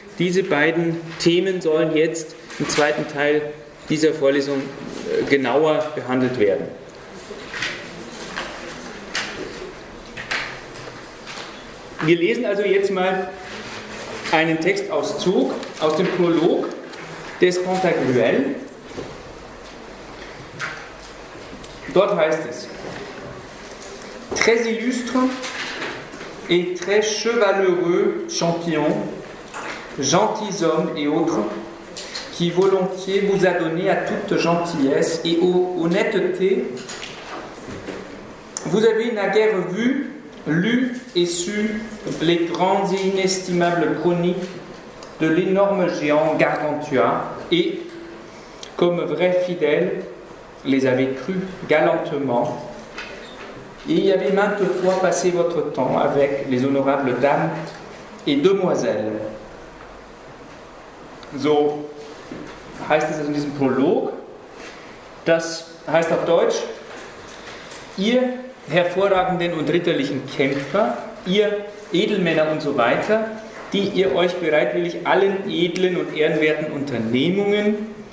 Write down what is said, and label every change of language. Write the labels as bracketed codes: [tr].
[de] Diese beiden Themen sollen jetzt im zweiten Teil dieser Vorlesung genauer behandelt werden. Wir lesen also jetzt mal einen Textauszug aus dem Prolog des Pantagruel. [fr] Dort heißt es: Très illustre et très chevaleureux champion, gentilshomme et autres, qui volontiers vous a donné à toute gentillesse et aux honnêtetés, vous avez naguère vu, lu et su les grandes et inestimables chroniques de l'énorme géant Gargantua et, comme vrai fidèle, les avez crus galantement. Et y avez maintes fois passé votre temps avec les honorables dames et demoiselles. [de] So heißt es also in diesem Prolog. Das heißt auf Deutsch: Ihr hervorragenden und ritterlichen Kämpfer, ihr Edelmänner und so weiter, die ihr euch bereitwillig allen edlen und ehrenwerten Unternehmungen